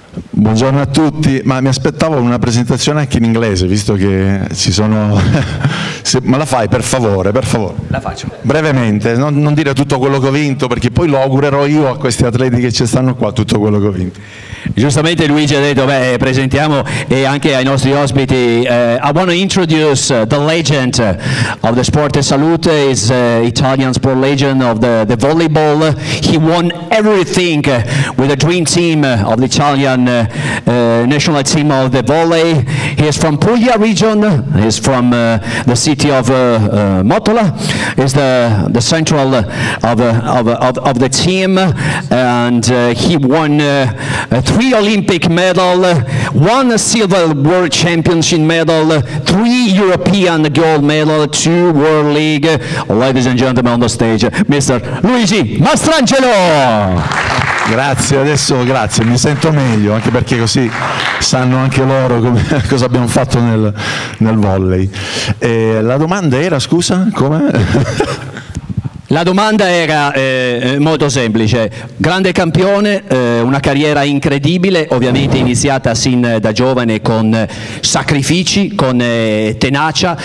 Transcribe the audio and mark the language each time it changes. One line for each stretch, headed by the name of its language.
Italian: Buongiorno a tutti, ma mi aspettavo una presentazione anche in inglese, visto che ci sono... Se, ma la fai, per favore. La faccio. Brevemente, non dire tutto quello che ho vinto, perché poi lo augurerò io a questi atleti che ci stanno qua, tutto quello che ho vinto. Giustamente Luigi ha detto, beh, presentiamo e anche ai nostri ospiti.
English: I want to introduce the legend of the sport. Salute is Italian sport legend of the volleyball. He won everything with the dream team of the Italian national team of the volley. He is from Puglia region. He is from the city of Mottola. He is the central of the team, and he won 3 Olympic medal, 1 silver world championship medal, 3 European gold medal, 2 World League. Ladies and gentlemen on the stage, Mr. Luigi Mastrangelo.
Italian: Grazie, adesso grazie, mi sento meglio, anche perché così sanno anche loro come, cosa abbiamo fatto nel volley. E la domanda era, scusa, come? La domanda era molto semplice, grande campione, una carriera incredibile, ovviamente iniziata sin da giovane con sacrifici, con tenacia.